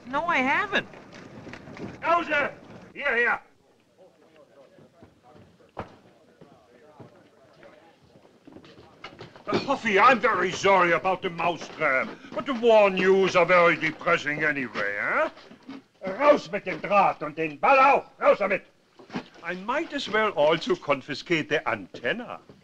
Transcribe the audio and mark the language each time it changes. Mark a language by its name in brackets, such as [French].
[English] No, I haven't. Gouser! Here. Huffy, I'm very sorry about the mouse trap, but the war news are very depressing anyway, huh? [German] Raus mit dem Draht und den Ball auch! Raus damit! [English] I might as well also confiscate the antenna.